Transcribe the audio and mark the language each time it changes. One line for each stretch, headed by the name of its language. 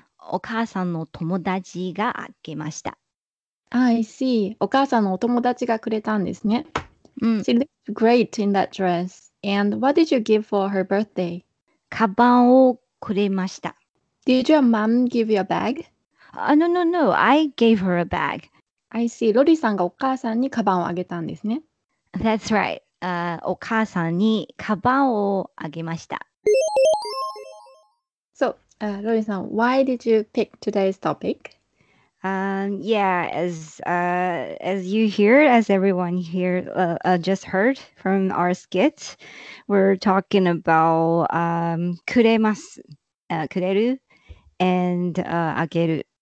Japanese: お母さんの友達があげました。
English: I see.
Japanese: お母さんのお友達がくれたんですね。 Mm.
English: She looked great in that dress. And what did you give for her birthday?
Japanese: カバンをくれました。
English: Did your mom give you a bag? No. I gave her a bag. I see.
Japanese: ロリさんがお母さんにカバンをあげたんですね。
English: That's right.
Japanese: お母さんにカバンをあげました。
English: So, ロリさん、why did you pick today's topic? As you hear, as everyone here just heard from our skit, we're talking about kureru and ageru.